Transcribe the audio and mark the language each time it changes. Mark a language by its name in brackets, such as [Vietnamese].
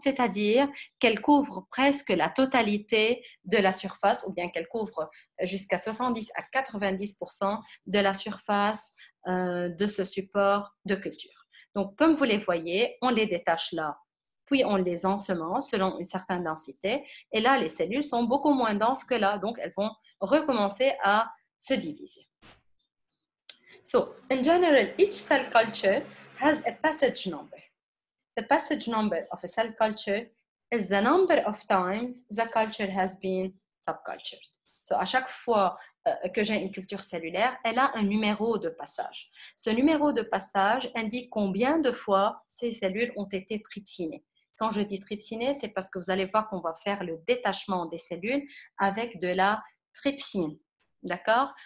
[French] C'est-à-dire qu'elles couvrent presque la totalité de la surface ou bien qu'elles couvrent jusqu'à 70 à 90% de la surface de ce support de culture. Donc, comme vous les voyez, on les détache là. Puis on les ensemence selon une certaine densité. Et là, les cellules sont beaucoup moins denses que là. Donc, elles vont recommencer à se diviser. [English] So, in general, each cell culture has a passage number. The passage number of a cell culture is the number of times the culture has been subcultured. [French] So, à chaque fois que j'ai une culture cellulaire, elle a un numéro de passage. Ce numéro de passage indique combien de fois ces cellules ont été trypsinées. Quand je dis trypsinées, c'est parce que vous allez voir qu'on va faire le détachement des cellules avec de la trypsine. D'accord?